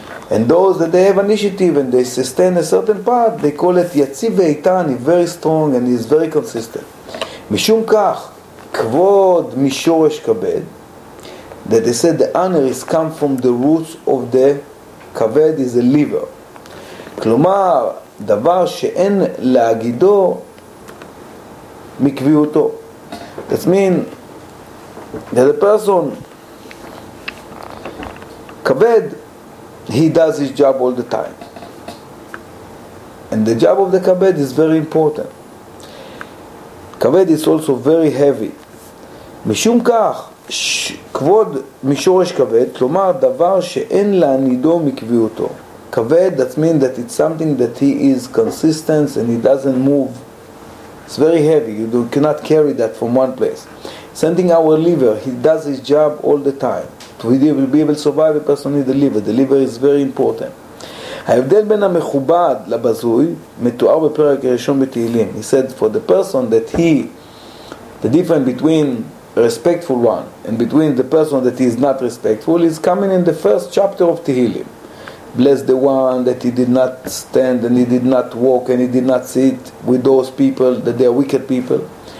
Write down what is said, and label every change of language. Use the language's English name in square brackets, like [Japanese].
[English] And those that they have initiative and they sustain a certain path, they call it Yatziv Eitan, he's very strong and he's very consistent. [Hebrew] Mishum kach, kvod mishoresh kabed, [English] that they said the honor is come from the roots of the kabed, is the liver. [Hebrew] Klomar, דבר שאין להגידו מקביעותו. [English] That means that a person כבד, he does his job all the time. And the job of the כבד is very important. כבד is also very heavy. [Hebrew] משום כך, כבוד משורש כבד, כלומר דבר שאין להגידו מקביעותו. [English] Kaved, that means that it's something that he is consistent and he doesn't move. It's very heavy. You cannot carry that from one place. Sending our liver, he does his job all the time. To be able to survive, a person needs the liver. The liver is very important. [Hebrew] ההבדל בין המכובד לבזוי מתואר בפרק הראשון בתהילים. [English] He said for the person that he, the difference between respectful one and between the person that he is not respectful is coming in the first chapter of Tehillim. Bless the one that he did not stand and he did not walk and he did not sit with those people, that they are wicked people.